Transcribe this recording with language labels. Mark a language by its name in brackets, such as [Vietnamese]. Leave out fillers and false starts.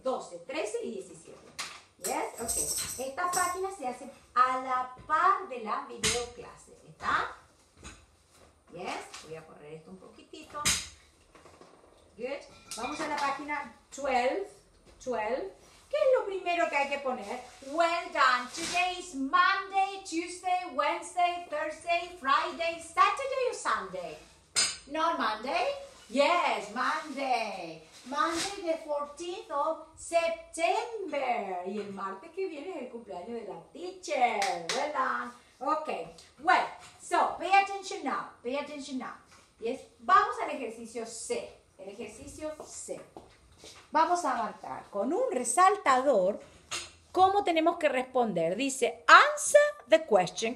[Spanish] 12, 13 y 17. ¿Yes? Ok. Esta página se hace a la par de la videoclase, ¿está? ¿Yes? Voy a correr esto un poquitito. Good. Vamos a la página 12. ¿Qué es lo primero que hay que poner? [English] Well done. Today is Monday, Tuesday, Wednesday, Thursday, Friday, Saturday or Sunday? No, Monday. Yes, Monday. Monday the 14th of September. [Spanish] Y el martes que viene es el cumpleaños de la teacher. [English] Well done. Okay. Well, so pay attention now. Pay attention now. Yes. [Spanish] Vamos al ejercicio C. El ejercicio C. Vamos a marcar con un resaltador cómo tenemos que responder. Dice, [English] answer the question.